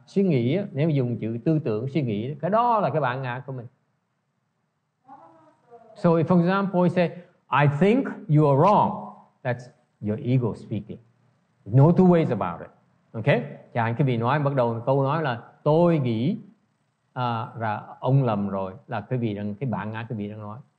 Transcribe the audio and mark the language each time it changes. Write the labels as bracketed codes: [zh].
[vi] Suy nghĩ, nếu mà dùng chữ tư tưởng suy nghĩ, cái đó là cái bản ngã của mình. [en] So if, for example, you say, I think you are wrong, that's your ego speaking. No two ways about it. Okay? [vi] Chẳng cái vị nói bắt đầu câu nói là tôi nghĩ là ông lầm rồi, là cái vị đang cái bản ngã cái vị đang nói.